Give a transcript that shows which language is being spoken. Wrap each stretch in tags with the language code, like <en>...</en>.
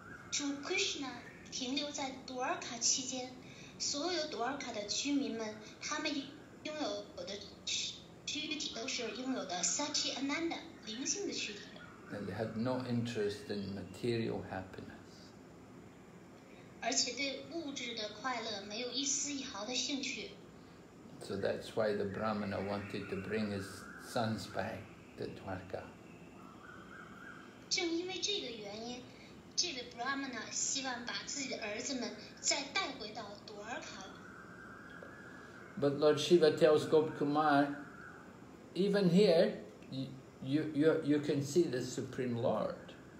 <zh>主 Krishna 停留在 Dwarka 期间，所有 Dwarka 的居民们，他们拥有的躯体都是拥有的 Satchidananda 灵性的躯体。</zh> <en>And they had no interest in material happiness.</en> <zh>而且对物质的快乐没有一丝一毫的兴趣。</zh> <en>So that's why the Brahmana wanted to bring his sons back to Dwarka.</en> <zh>正因为这个原因。这位 Brahmana 希望把自己的儿子们再带回到 Dwarka。</zh> <en>But Lord Shiva tells Gopkumar, even here, you can see the Supreme Lord.</en>